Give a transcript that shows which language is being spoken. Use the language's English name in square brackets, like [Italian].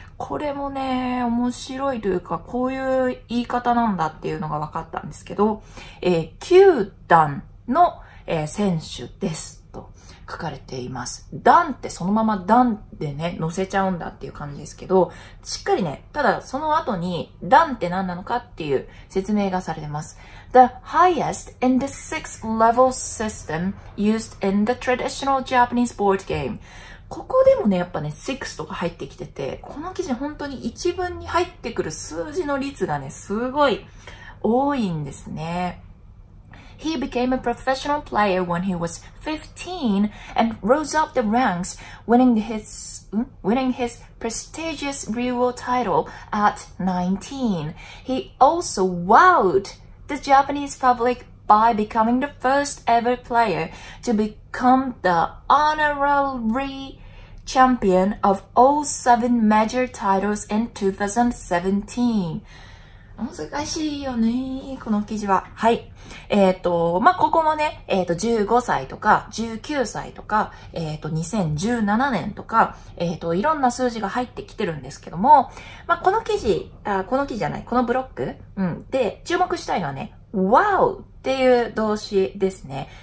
[Japanese] これもね、面白いというか、こういう言い方なんだっていうのが分かったんですけど、9段の選手ですと書かれています。段ってそのまま段でね、乗せちゃうんだっていう感じですけど、しっかりね、ただその後に段って何なのかっていう説明がされてます。 [English] The highest in the six level system used in the traditional Japanese board game. [Japanese] ここでもね、やっぱね、six とか入ってきてて、この記事本当に一文に入ってくる数字の率がね、すごい多いんですね。 [English] He became a professional player when he was 15 and rose up the ranks, winning his prestigious Ryu title at 19. He also wowed the Japanese public by becoming the first ever player to become the honorary champion of all 7 major titles in 2017. [Japanese] 難しいよね、この記事は。はい。まあ、ここもね、15歳とか、19歳とか、2017年とか、いろんな数字が入ってきてるんですけども、まあ、この記事、あ、この記事じゃない、このブロック、うん、で、注目したいのはね、wow っていう動詞ですね。